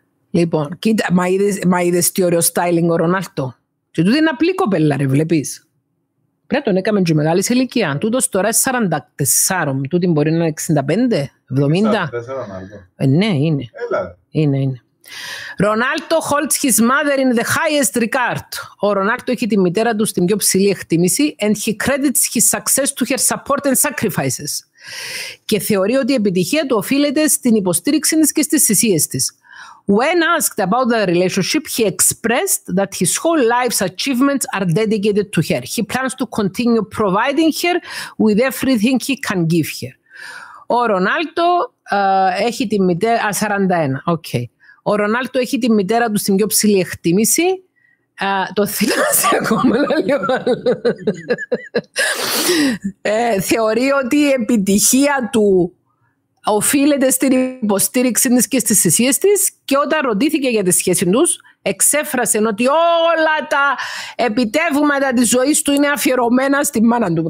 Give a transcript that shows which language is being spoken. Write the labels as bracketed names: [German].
[Greek] Λοιπόν, κοίτα, μα είδες τι ωραίο στάιλινγκ ο Ρονάλτο. Και τούτη είναι απλή κοπέλα, ρε, βλέπεις. Πρέπει να τον έκαμε και μεγάλη σε ηλικία. Τούτος τώρα είναι 44, τούτη μπορεί να είναι 65, 70. 44, ναι, είναι. Έλα. Είναι. [English] Ρονάλτο holds his mother in the highest regard. [Greek] Ο Ρονάλτο έχει τη μητέρα του στην πιο ψηλή εκτίμηση [English] and he credits his success to her support and sacrifices. [Greek] Και θεωρεί ότι η επιτυχία του οφείλεται στην υποστήριξη της και στις θυσίες της. [English] When asked about the relationship, he expressed that his whole life's achievements are dedicated to her. He plans to continue providing her with everything he can give her. [Greek] Ο Ρονάλτο έχει τη μητέρα... 41, okay. Ο Ρονάλτο έχει τη μητέρα του στην πιο ψηλή εκτίμηση. Το θυλάσσε ακόμα, λέει ο θεωρεί ότι η επιτυχία του οφείλεται στην υποστήριξη της και στις θυσίες της και όταν ρωτήθηκε για τη σχέση τους εξέφρασε ότι όλα τα επιτεύγματα της ζωής του είναι αφιερωμένα στη μάνα του.